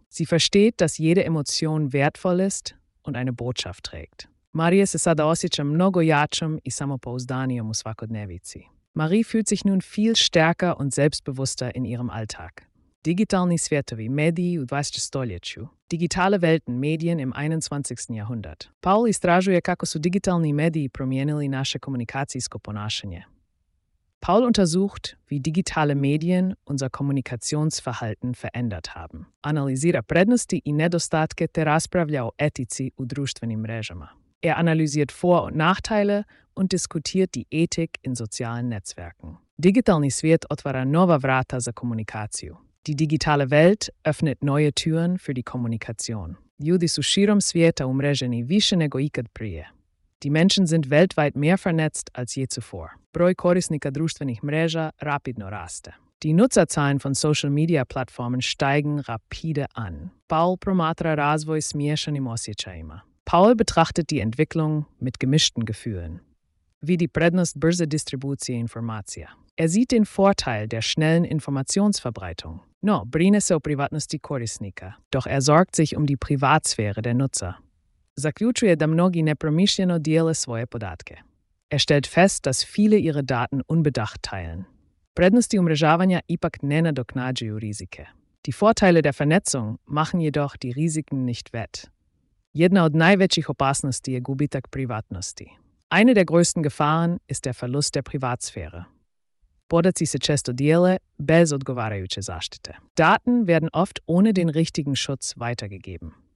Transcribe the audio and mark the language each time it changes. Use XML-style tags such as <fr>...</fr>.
<de>Sie versteht, dass jede Emotion wertvoll ist und eine Botschaft trägt.</de> <hr>Marie se sada osjeća mnogo jačom i samopouzdanijom u svakodnevici.</hr> <de>Marie fühlt sich nun viel stärker und selbstbewusster in ihrem Alltag.</de> <hr>Digitalni svjetovi, mediji u 20. stoljeću.</hr> <de>Digitale Welten, Medien im 21. Jahrhundert.</de> <hr>Paul istražuje kako su digitalni mediji promijenili naše komunikacijsko ponašanje.</hr> <de>Paul untersucht, wie digitale Medien unser Kommunikationsverhalten verändert haben.</de> <hr>Analizira prednosti i nedostatke te raspravlja o etici u društvenim mrežama.</hr> <de>Er analysiert Vor- und Nachteile und diskutiert die Ethik in sozialen Netzwerken.</de> <hr>Digitalni svijet otvara nova vrata za komunikaciju.</hr> <de>Die digitale Welt öffnet neue Türen für die Kommunikation.</de> <hr>Ljudi su širom svijeta umreženi više nego ikad prije.</hr> <de>Die Menschen sind weltweit mehr vernetzt als je zuvor.</de> <hr>Broj korisnika društvenih mreža rapidno raste.</hr> <de>Die Nutzerzahlen von Social Media Plattformen steigen rapide an.</de> <hr>Paul promatra razvoj s miješanim osjećajima.</hr> <de>Paul betrachtet die Entwicklung mit gemischten Gefühlen. Wie die</de> <hr>prednost brze distribucije informacija.</hr> <de>Er sieht den Vorteil der schnellen Informationsverbreitung.</de> <hr>No, brine se o privatnosti korisnika.</hr> <de>Doch er sorgt sich um die Privatsphäre der Nutzer.</de> <hr>Zaključuje da mnogi nepromišljeno dijele svoje podatke.</hr> <de>Er stellt fest, dass viele ihre Daten unbedacht teilen.</de> <hr>Prednosti umrežavanja ipak ne nadoknađuju rizike.</hr> <de>Die Vorteile der Vernetzung machen jedoch die Risiken nicht wett.</de> <hr>Jedna od najvećih opasnosti je gubitak privatnosti.</hr> <de>Eine der größten Gefahren ist der Verlust der Privatsphäre.</de> <hr>Podaci se često dijele bez odgovarajuće zaštite.</hr> <de>Daten werden oft ohne den richtigen Schutz weitergegeben.</de>